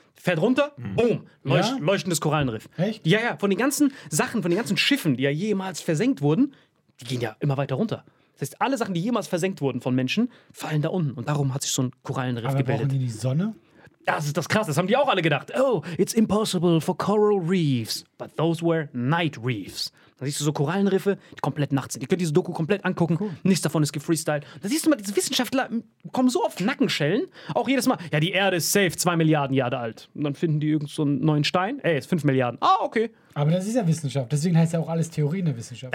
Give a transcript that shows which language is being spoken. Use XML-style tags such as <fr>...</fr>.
<de>Fährt runter, boom, leuchtendes Korallenriff. Echt? Ja, ja, von den ganzen Sachen, von den ganzen Schiffen, die ja jemals versenkt wurden, die gehen ja immer weiter runter. Das heißt, alle Sachen, die jemals versenkt wurden von Menschen, fallen da unten. Und darum hat sich so ein Korallenriff gebildet. Aber brauchen die Sonne? Das ist das Krasse. Das haben die auch alle gedacht.</de> <en>Oh, it's impossible for coral reefs. But those were night reefs.</en> <de>Da siehst du so Korallenriffe, die komplett nachts sind. Ihr könnt diese Doku komplett angucken. Cool. Nichts davon ist gefreestyled. Da siehst du mal, diese Wissenschaftler kommen so auf Nackenschellen. Auch jedes Mal. Ja, die Erde ist safe, 2 Milliarden Jahre alt. Und dann finden die irgend so einen neuen Stein. Ey, ist 5 Milliarden. Ah, okay. Aber das ist ja Wissenschaft. Deswegen heißt ja auch alles Theorie in der Wissenschaft.</de>